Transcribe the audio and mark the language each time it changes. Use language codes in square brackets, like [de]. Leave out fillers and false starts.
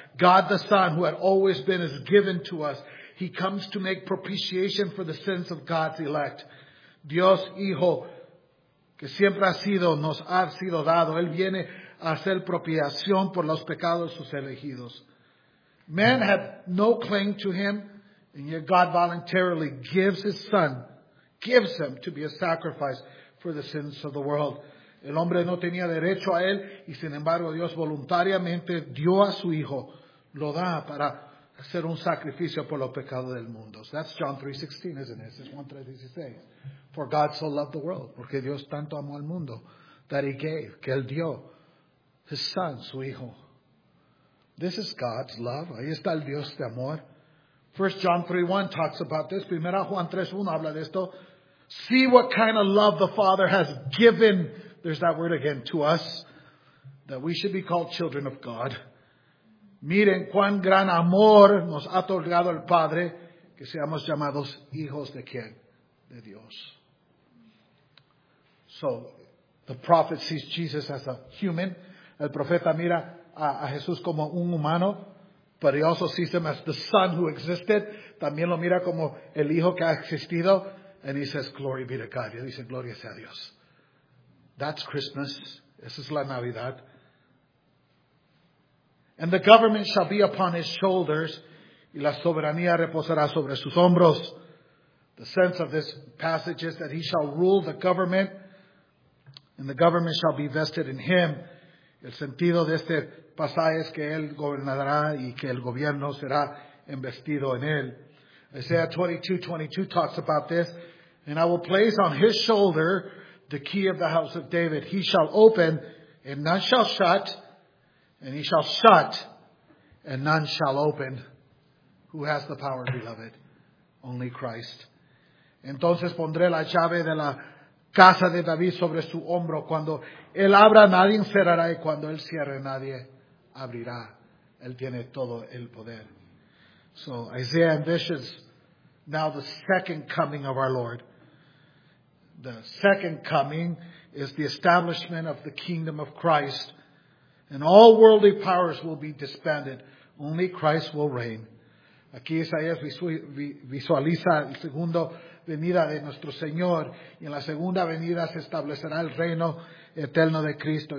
[en] God the Son, who had always been, is given to us. He comes to make propitiation for the sins of God's elect. [es] Dios Hijo, que siempre ha sido, nos ha sido dado. Él viene a hacer propiciación por los pecados de sus elegidos. [en] Man had no claim to him, and yet God voluntarily gives his Son, gives him to be a sacrifice for the sins of the world. [es] El hombre no tenía derecho a él, y sin embargo Dios voluntariamente dio a su Hijo, lo da para hacer un sacrificio por los pecados del mundo. [en] So that's John 3:16, isn't it? It's 1:3:16. For God so loved the world, [es] porque Dios tanto amó al mundo, [en] that he gave, [es] que él dio, [en] his Son, [es] su Hijo. [en] This is God's love. [es] Ahí está el Dios de amor. [en] 1 John 3:1 talks about this. [es] Primera Juan 3:1 habla de esto. [en] See what kind of love the Father has given. There's that word again. To us. That we should be called children of God. [es] Miren cuán gran amor nos ha otorgado el Padre. Que seamos llamados hijos de quién? De Dios. [en] So, the prophet sees Jesus as a human. [es] El profeta mira a Jesús como un humano, [en] but he also sees him as the Son who existed. [es] También lo mira como el Hijo que ha existido. [en] And he says, glory be to God. [es] Y dice, gloria sea a Dios. [en] That's Christmas. [es] Esa es la Navidad. [en] And the government shall be upon his shoulders. [es] Y la soberanía reposará sobre sus hombros. [en] The sense of this passage is that he shall rule the government. And the government shall be vested in him. [es] El sentido de este pasaje es que él gobernará y que el gobierno será embestido en él. [en] Isaiah 22:22 talks about this. And I will place on his shoulder the key of the house of David. He shall open and none shall shut. And he shall shut and none shall open. Who has the power, beloved? Only Christ. [es] Entonces pondré la llave de la casa de David sobre su hombro. Cuando él abra, nadie cerrará. Y cuando él cierre, nadie abrirá. Él tiene todo el poder. [en] So Isaiah envisions now the second coming of our Lord. The second coming is the establishment of the kingdom of Christ. And all worldly powers will be disbanded. Only Christ will reign. [es] Aquí Isaías visualiza el segundo venida de nuestro Señor. Y en la segunda venida se establecerá el reino eterno de Cristo.